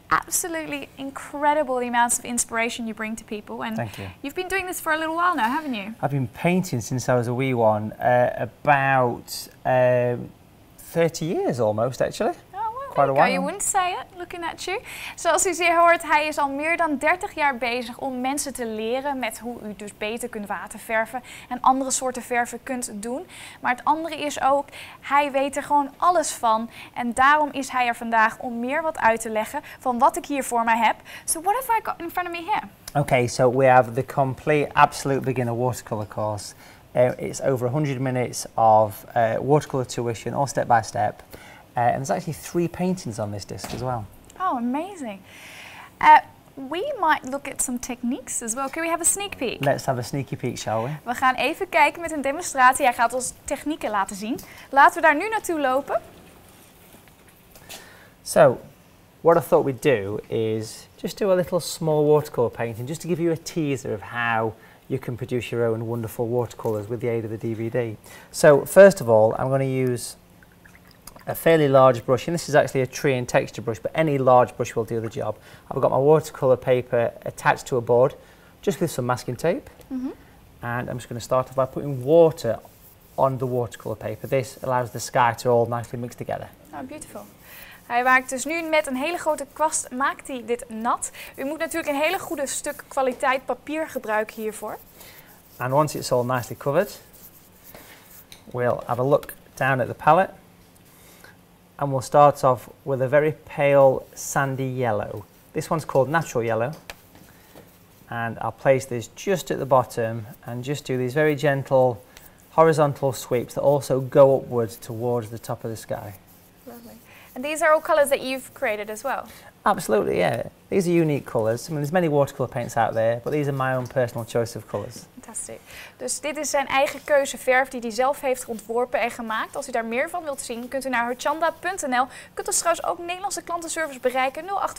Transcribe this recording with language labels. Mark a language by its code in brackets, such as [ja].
[en] Absolutely incredible the amounts of inspiration you bring to people. And thank you. You've been doing this for a little while now, haven't you? I've been painting since I was a wee one, about 30 years almost, actually. You wouldn't say it, looking at you. [nl] Zoals u zeer hoort, hij is al meer dan 30 jaar bezig om mensen te leren met hoe u dus beter kunt waterverven en andere soorten verven kunt doen. Maar het andere is ook, hij weet er gewoon alles van. En daarom is hij er vandaag om meer wat uit te leggen van wat ik hier voor me heb. [en] So what have I got in front of me here? Okay, so we have the complete, absolute beginner watercolor course. It's over 100 minutes of watercolor tuition, all step by step. And there's actually three paintings on this disc as well. Oh, amazing. We might look at some techniques as well. Can we have a sneak peek? Let's have a sneaky peek, shall we? [nl] We gaan even kijken met een demonstratie. Hij gaat ons technieken laten zien. Laten we daar nu naartoe lopen. [en] So, what I thought we'd do is just do a little small watercolor painting, just to give you a teaser of how you can produce your own wonderful watercolors with the aid of the DVD. So, first of all, I'm going to use a fairly large brush, and this is actually a tree and texture brush, but any large brush will do the job. I've got my watercolour paper attached to a board, just with some masking tape. Mm-hmm. And I'm just going to start off by putting water on the watercolour paper. This allows the sky to all nicely mix together. Oh, beautiful. [nl] Hij maakt dus nu met een hele grote kwast, maakt hij dit nat. U moet natuurlijk een hele goede stuk kwaliteit papier gebruiken hiervoor. [en] And once it's all nicely covered, we'll have a look down at the palette. And we'll start off with a very pale sandy yellow. This one's called natural yellow. And I'll place this just at the bottom and just do these very gentle horizontal sweeps that also go upwards towards the top of the sky. Lovely. And these are all colours that you've created as well? Absolutely, yeah. These are unique colours. I mean, there's many watercolour paints out there, but these are my own personal choice of colours. Fantastic. [nl] Dus dit is zijn eigen keuze verf die hij zelf heeft ontworpen en gemaakt. Als u daar meer van wilt zien, kunt u naar hochanda.nl. Kunt u trouwens ook Nederlandse klantenservice bereiken, 085-208-6060.